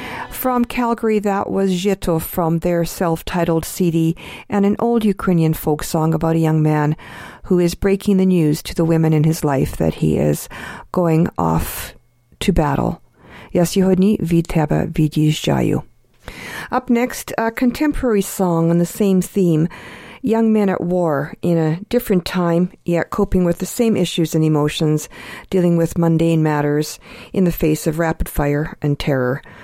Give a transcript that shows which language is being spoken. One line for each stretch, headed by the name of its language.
English: From Calgary, that was Zhito from their self-titled CD and an old Ukrainian folk song about a young man who is breaking the news to the women in his life that he is going off to battle.
Ukrainian: Я сьогодні від тебе від'їжджаю.
English: Up next, a contemporary song on the same theme, Young Men at War, in a different time, yet coping with the same issues and emotions, dealing with mundane matters in the face of rapid fire and terror.